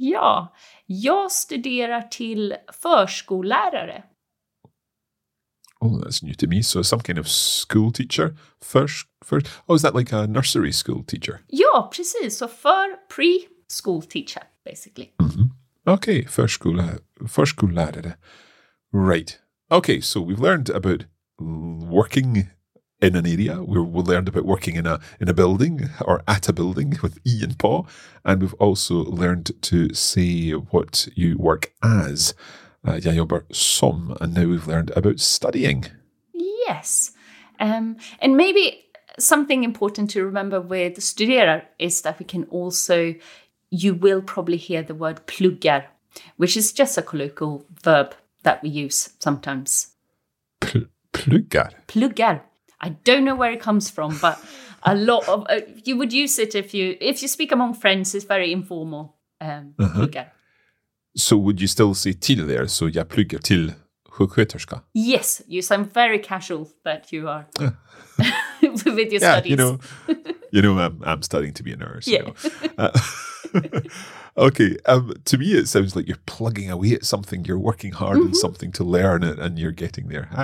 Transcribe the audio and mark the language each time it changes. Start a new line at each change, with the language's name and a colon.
Swedish: Ja, jag studerar till förskollärare.
English: Oh, that's new to me. So some kind of school teacher. Is that like a nursery school teacher?
Swedish: Ja, precis.
English: So pre-school teacher, basically. Mm-hmm. Okay, förskollärare. Right. Okay, so we've learned about working in an area. We learned about working in a building or at a building with E and Paw. And we've also learned to say what you work as.
Swedish: Jag jobbar som.
English: And now we've learned about studying. Yes. And maybe something important to remember with studera is that we can also, you will probably hear the word pluggar, which is just a colloquial verb that we use sometimes. Pluggar? Pluggar. I don't know where it comes from, but a lot of, you would use it if you speak among friends, it's very informal, pluggar. So would you still say till there?
Swedish: So jag pluggar till sjuksköterska?
English: Yes, you sound very casual that you are with your studies. You know, I'm studying to be a nurse. Yeah. You know. Okay, to me it sounds like you're plugging away at something, you're working hard on something to learn it, and you're getting there.